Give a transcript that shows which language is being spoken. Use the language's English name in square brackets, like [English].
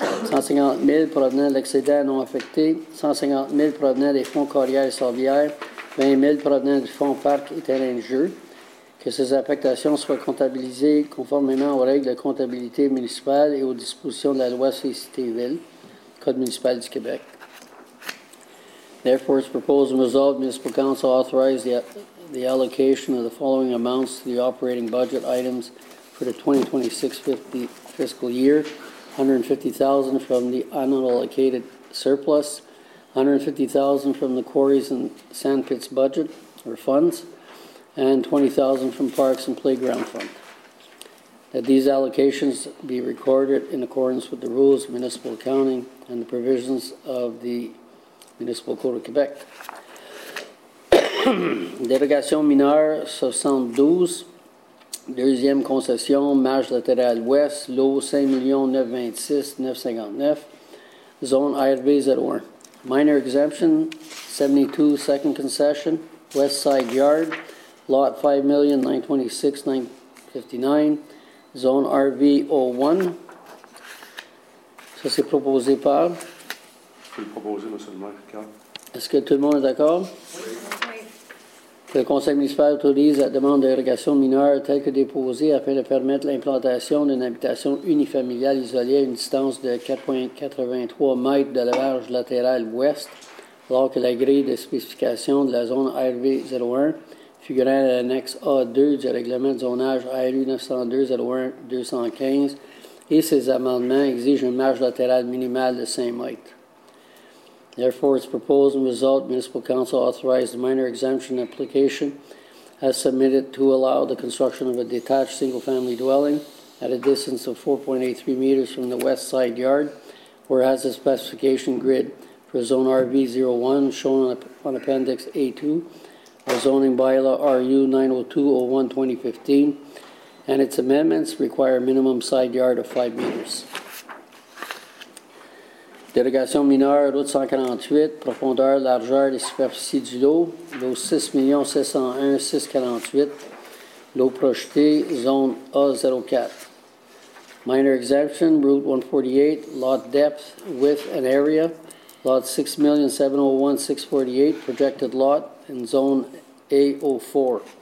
[French] 150 000 provenant de l'excédent non affecté. 150 000 provenant des fonds carrières et sorbières. 20 000 provenant du fonds parc et terrain de jeu. Que ces affectations soient comptabilisées conformément aux règles de comptabilité municipale et aux dispositions de la loi Cité-Ville, Code municipal du Québec. [English] Therefore, it's proposed and resolved municipal council authorize the allocation of the following amounts to the operating budget items for the 2026 fiscal year. $150,000 from the unallocated surplus. $150,000 from the quarries and sand pits budget or funds, and $20,000 from parks and playground fund. That these allocations be recorded in accordance with the rules of municipal accounting and the provisions of the Municipal Code of Quebec. [French] Dérogation mineure 72, deuxième concession, marge latérale ouest, lot 5 926 959, zone ARV 01. [English] Minor exemption, 72 second concession, west side yard, lot 5,926,959, zone RV 01. [French] Ça, c'est proposé par? C'est proposé, monsieur le maire, Carl. Est-ce que tout le monde est d'accord? Oui. Le conseil municipal autorise la demande d'érogation mineure telle que déposée afin de permettre l'implantation d'une habitation unifamiliale isolée à une distance de 4,83 mètres de la marge latérale ouest, alors que la grille de spécification de la zone ARV 01 figurant à l'annexe A2 du règlement de zonage ARU 902-01-215 et ses amendements exigent une marge latérale minimale de 5 mètres. [English] Therefore, it's proposed and resolved municipal council authorized the minor exemption application as submitted to allow the construction of a detached single-family dwelling at a distance of 4.83 meters from the west side yard, whereas the specification grid for zone RV01 shown on Appendix A2, our zoning bylaw RU 902-01-2015, and its amendments require a minimum side yard of 5 meters. [French] Dérogation mineure, route 148, profondeur, largeur et superficie du lot, lot 6 601 648, lot projeté, zone A04. [English] Minor exemption, route 148, lot depth, width and area, lot 6 701 648, projected lot in zone A04.